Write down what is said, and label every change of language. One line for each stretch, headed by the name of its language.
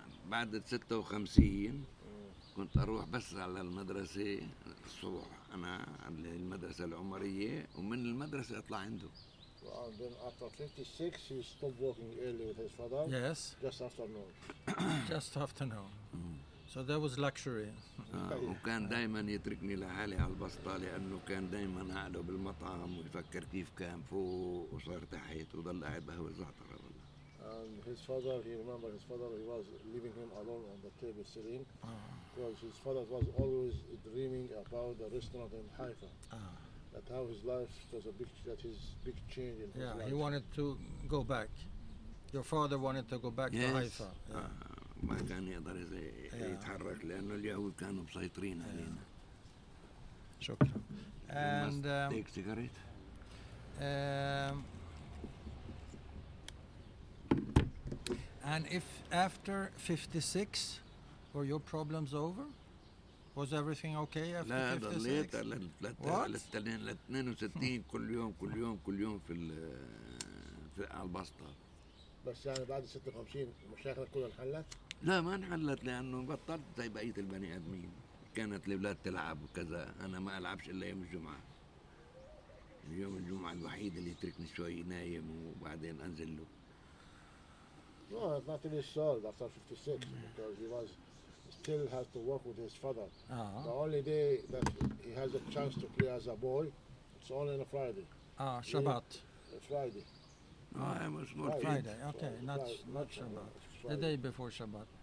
Arabic: بعد 56 كنت أروح بس على المدرسة الصبح، أنا على المدرسة العمرية، ومن المدرسة أطلع عنده.
English: And then after 56, he stopped working early with his father. Yes. Just after noon. Just after noon. So that was luxury.
Arabic: وكان دائما يتركني لحالي على البسطة، لأنه كان دائما قاعد بالمطعم ويفكر كيف كان فوق وصار تحت وضل قاعد بهو الزعتر.
English: And his father, he remember his father, he was leaving him alone on the table sitting. Because his father was always dreaming about the restaurant in Haifa. That how his life was a big, that his big change in his yeah, life. He wanted to go back. Your father wanted to go back yes. to Haifa.
Arabic: ما كان يقدر يتحرك لأنه اليهود كانوا مسيطرين علينا.
English: شكرا. And take cigarette. And if after 56, were your problems over? Was everything okay after 56?
Arabic: لا ضليت على 62 كل يوم كل يوم كل يوم في ال في البسطة. بس يعني بعد 56 مشاكلك كلها انحلت؟ لا ما انحلت، لأنه بطلت زي بقية البني آدمين. كانت البلاد تلعب وكذا، أنا ما ألعبش إلا يوم الجمعة. يوم الجمعة الوحيد اللي يتركني شوي نايم وبعدين أنزل له.
English: No, it's not really solved after 56 because he was still has to work with his father. Uh-huh. The only day that he has a chance to play as a boy, it's only on a Friday. Shabbat. Friday. No, I was small Friday, kid. Friday, okay, Friday. Not Shabbat. Friday. The day before Shabbat.